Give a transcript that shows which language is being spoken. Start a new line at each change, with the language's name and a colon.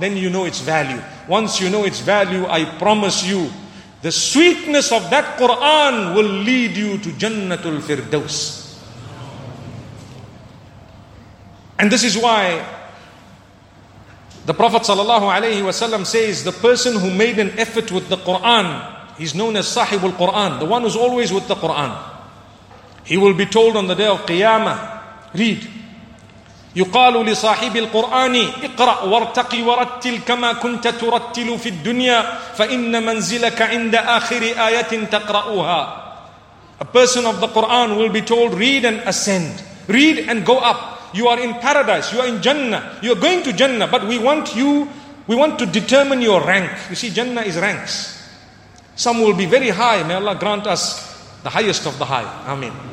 English: Then you know its value. Once you know its value, I promise you, the sweetness of that Quran will lead you to Jannatul Firdaus. And this is why the Prophet sallallahu alayhi wasallam says, the person who made an effort with the Quran, he's known as Sahibul Quran, the one who's always with the Quran. He will be told on the day of Qiyamah, read,
Arabic: يُقَالُ لِصَاحِبِ الْقُرْآنِ اِقْرَأْ وَارْتَقِ وَرَتِّلْ كَمَا كُنْتَ تُرَتِّلُ فِي الدُّنْيَا فَإِنَّ مَنْزِلَكَ عِنْدَ آخِرِ آيَةٍ تَقْرَأُهَا.
English: A person of the Quran will be told, read and ascend. Read and go up. You are in paradise. You are in Jannah. You are going to Jannah. But we want to determine your rank. You see, Jannah is ranks. Some will be very high. May Allah grant us the highest of the high. Amen.